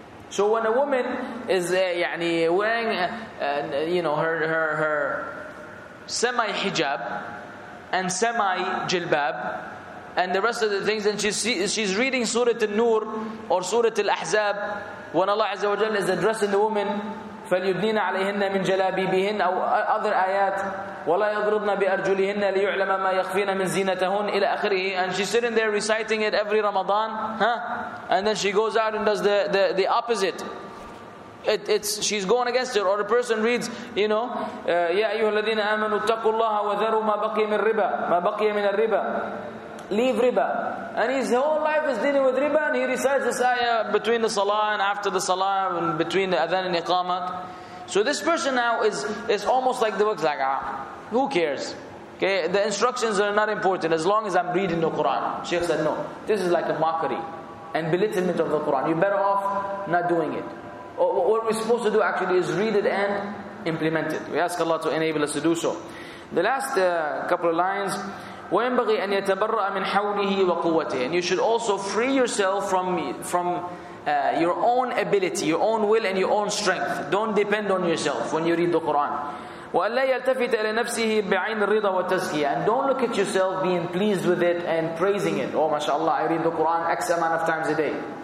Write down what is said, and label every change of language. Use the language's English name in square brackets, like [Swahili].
[English] So when a woman is wearing her semi hijab and semi jilbab and the rest of the things, and she's reading Surah An-Nur or Surah Al-Ahzab, when Allah Azza wa Jalla is addressing the woman, [Arabic] فَلْيُدْنِينَ عَلَيْهِنَّ مِنْ جَلَابِيبِهِنَّ أَوْ [English] other ayat, [Arabic] وَلَا يَضْرِبْنَ بِأَرْجُلِهِنَّ لِيُعْلَمَ مَا يَخْفِينَ مِنْ زِينَتَهُنَّ إِلَى آخِرِهِ. [English] And she's sitting there reciting it every Ramadan, huh? And then she goes out and does the opposite. It's she's going against her. Or a person reads, you know, [Arabic] يَا أَيُّهَا الَّذِينَ آمَنُوا اتَّقُوا اللَّهَ وَذَرُوا مَا بَقِيَ مِنَ الرِّبَا. مَا بَقِيَ مِنَ الرِّبَا. [English] Leave riba. And his whole life is dealing with riba, and he recites this ayah between the salah and after the salah and between the adhan and iqamat. So this person now is almost like the book's like, who cares? Okay, the instructions are not important as long as I'm reading the Quran. Sheikh said, no, this is like a mockery and belittlement of the Quran. You're better off not doing it. What we're supposed to do actually is read it and implement it. We ask Allah to enable us to do so. The last couple of lines, [Arabic] وَيَنْبَغِي أَنْ يَتَبَرَّأَ مِنْ حَوْلِهِ وَقُوَّتِهِ. [English] And you should also free yourself from your own ability, your own will and your own strength. Don't depend on yourself when you read the Quran. [Arabic] وَأَلَّا يَلْتَفِتَ إِلَى نَفْسِهِ بِعَيْنِ الرِّضَى وَالتَّزْكِيَةِ. [English] And don't look at yourself being pleased with it and praising it. Oh, mashallah, I read the Quran X amount of times a day.